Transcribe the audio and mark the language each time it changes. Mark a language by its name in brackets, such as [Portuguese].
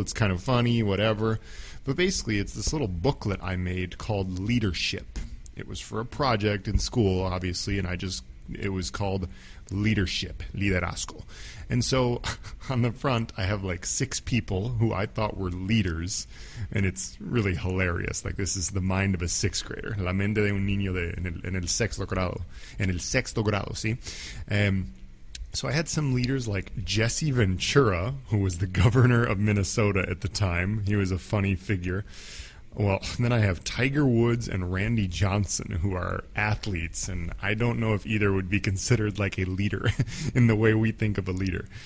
[English] It's kind of funny, whatever. But basically, it's this little booklet I made called Leadership. It was for a project in school, obviously, and it was called Leadership, Liderazgo. And so on the front, I have like six people who I thought were leaders, and it's really hilarious. Like, this is the mind of a sixth grader. [Spanish] La mente de un niño en el sexto grado, ¿sí? [English] So I had some leaders like Jesse Ventura, who was the governor of Minnesota at the time. He was a funny figure. Well, then I have Tiger Woods and Randy Johnson, who are athletes, and I don't know if either would be considered like a leader in the way we think of a leader.